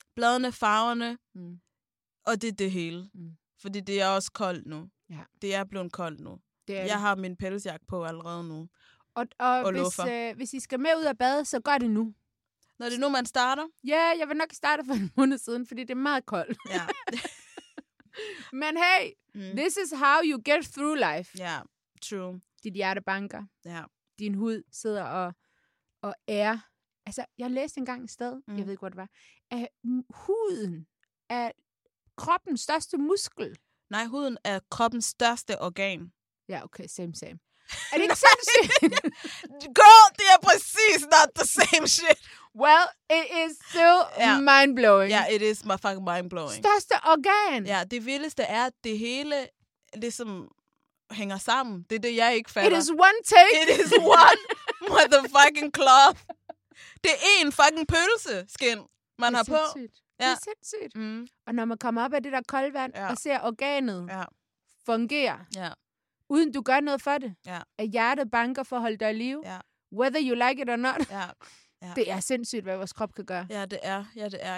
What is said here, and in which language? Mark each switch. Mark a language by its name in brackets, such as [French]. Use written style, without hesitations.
[Danish] Bladene, farverne, og det er det hele. Mm. Fordi det er også koldt nu. Ja. Det er blevet koldt nu. Jeg har min pelsjakke på allerede nu. Og hvis I skal med ud at bade, så gør det nu. Når det er nu, man starter? Ja, jeg vil nok starte for en måned siden, fordi det er meget koldt. Ja. [English] Men hey, this is how you get through life. Ja, true. [Danish] Dit hjerte banker. Ja. Din hud sidder og er... Altså, jeg læste engang et sted, jeg ved ikke, hvor det var, at huden er kroppens største muskel. Nej, huden er kroppens største organ. Ja, okay, same. Er det ikke sindssygt? [English] Girl, [Danish] det er præcis [English] not the same shit. Well, it is still mind-blowing. Ja, yeah, it is my fucking mind-blowing. [Danish] Største organ. Ja, det vildeste er, at det hele ligesom hænger sammen. Det er det, jeg ikke fatter. [English] It is one take. It is one motherfucking cloth. [Danish] Det er én fucking pølseskin, man har sindssygt. På. Det er sindssygt. Mm. Og når man kommer op af det der kolde vand og ser organet fungere, uden du gør noget for det, at hjertet banker for at holde dig i live, [English] whether you like it or not, [Danish] det er sindssygt, hvad vores krop kan gøre. Ja, det er. Ja, det er.